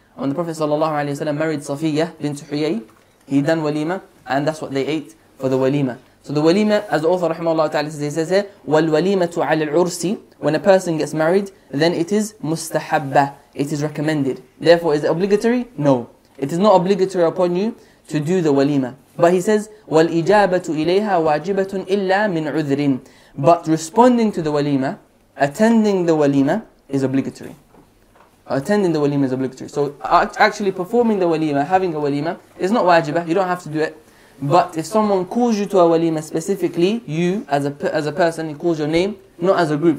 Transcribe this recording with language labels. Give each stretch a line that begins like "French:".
English: And when the Prophet sallallahu alayhi wa sallam married Safiyyah bint Huyay, he done walima, and that's what they ate for the walima. So the walima, as the author rahimahullah ta'ala says, he says here,
Arabic: وَالْوَلِيمَةُ عَلَى الْعُرْسِ.
English: When a person gets married, then it is مُسْتَحَبَّة. It is recommended. Therefore, is it obligatory? No. It is not obligatory upon you to do the walima. But he says,
Arabic: وَالْإِجَابَةُ إِلَيْهَا وَاجِبَةٌ إِلَّا مِنْ عُذْرٍ.
English: But responding to the walima, attending the walima is obligatory. Attending the walima is obligatory. So actually performing the walima, having a walima, is not wajibah, you don't have to do it. But if someone calls you to a walima specifically, you as a person, he calls your name, not as a group.